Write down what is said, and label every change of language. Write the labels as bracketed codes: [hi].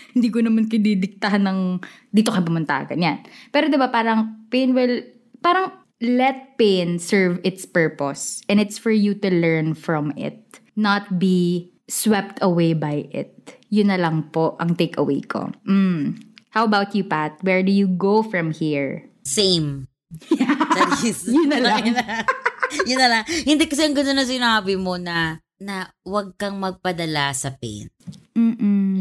[tl] Hindi ko naman kinidiktahan ng dito ka pumunta, ganyan. Pero diba, parang [en] pain will, parang let pain serve its purpose and it's for you to learn from it, not be swept away by it. [tl] Yun na lang po ang takeaway ko. [en] How about you, Pat? Where do you go from here? Same. Yeah. That is, [tl] yun na lang. Yun na lang. Hindi kasi ang ganda na sinabi mo na huwag kang magpadala sa pain. Mm-mm.